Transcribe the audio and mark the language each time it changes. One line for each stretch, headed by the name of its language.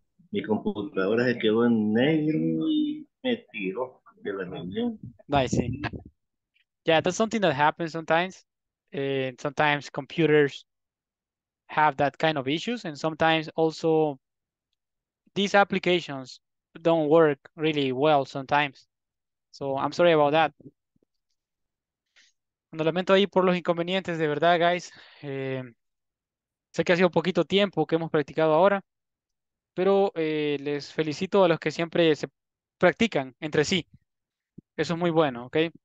Spanish: Mi computadora se quedó en negro y me tiró de la reunión.
English: I see. Yeah, that's something that happens sometimes. And sometimes computers have that kind of issues, and sometimes also these applications don't work really well sometimes. So I'm sorry about that.
Spanish: Lo lamento ahí por los inconvenientes, de verdad, guys. Sé que ha sido poquito tiempo que hemos practicado ahora, pero les felicito a los que siempre se practican entre sí. Eso es muy bueno, ¿ok?